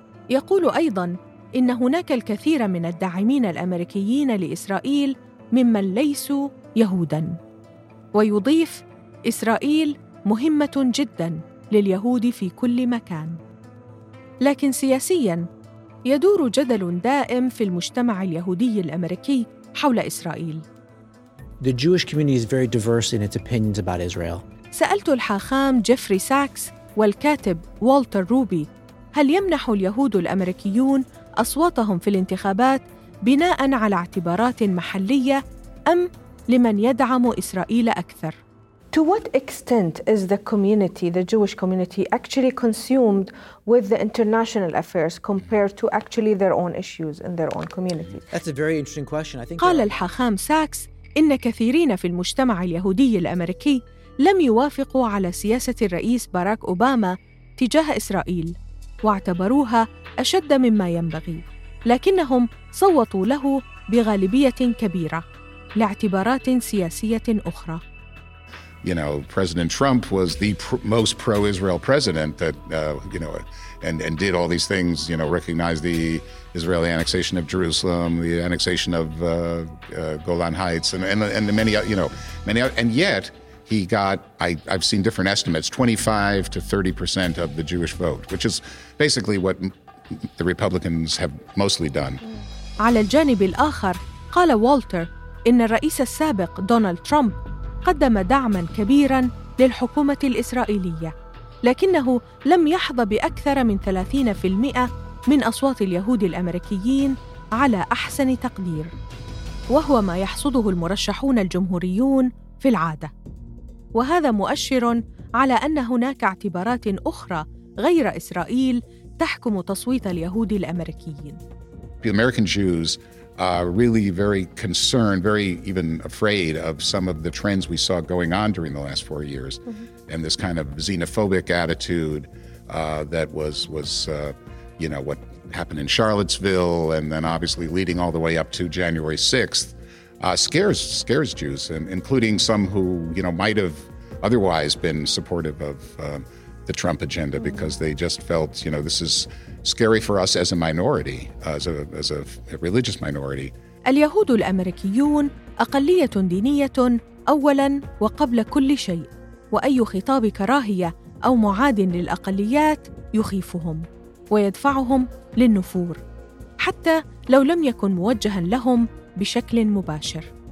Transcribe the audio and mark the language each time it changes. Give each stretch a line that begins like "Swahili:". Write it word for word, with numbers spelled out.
Arabic: يقول أيضاً إن هناك الكثير من الداعمين الأمريكيين لإسرائيل ممن ليسوا يهوداً، ويضيف إسرائيل مهمة جداً لليهود في كل مكان. لكن سياسياً يدور جدل دائم في المجتمع اليهودي الأمريكي حول إسرائيل.
English: The Jewish community is very diverse in its opinions about Israel.
Arabic: سألت الحاخام جيفري ساكس والكاتب والتر روبي هل يمنح اليهود الأمريكيون أصواتهم في الانتخابات بناءً على اعتبارات محلية أم لمن يدعم إسرائيل أكثر؟
English: To what extent is the community, the Jewish community, actually consumed with the international affairs compared to actually their own issues in their own community? That's a very interesting question. I think
Arabic: قال الحاخام ساكس إن كثيرين في المجتمع اليهودي الأمريكي لم يوافقوا على سياسة الرئيس باراك أوباما تجاه إسرائيل واعتبروها أشد مما ينبغي، لكنهم صوتوا له بغالبية كبيرة لاعتبارات سياسية أخرى.
English: You know, President Trump was the pr- most pro-Israel president that, uh, you know, and, and did all these things, you know, recognize the Israeli annexation of Jerusalem, the annexation of uh, uh, Golan Heights, and, and and many, you know, many, and yet he got, I, I've seen different estimates, twenty-five to thirty percent of the Jewish vote, which is basically what the Republicans have mostly done.
Arabic: على الجانب الآخر قال والتر إن الرئيس السابق دونالد ترامب قدم دعماً كبيراً للحكومة الإسرائيلية، لكنه لم يحظى بأكثر من ثلاثين بالمئة من أصوات اليهود الأمريكيين على أحسن تقدير، وهو ما يحصده المرشحون الجمهوريون في العادة، وهذا مؤشر على أن هناك اعتبارات أخرى غير إسرائيل تحكم تصويت اليهود الأمريكيين.
English: The American Jews are really very concerned, very even afraid of some of the trends we saw going on during the last four years, mm-hmm. and this kind of xenophobic attitude uh, that was was uh, you know what happened in Charlottesville, and then obviously leading all the way up to January sixth, uh, scares scares Jews, and including some who you know might have otherwise been supportive of uh, the Trump agenda, mm-hmm. because they just felt you know this is scary for us as a minority, as a as a religious minority.
Arabic: اليهود الأمريكيون أقلية دينية أولاً وقبل كل شيء، وأي خطاب كراهية أو معاد للأقليات يخيفهم ويدفعهم للنفور حتى لو لم يكن موجهاً لهم بشكل مباشر.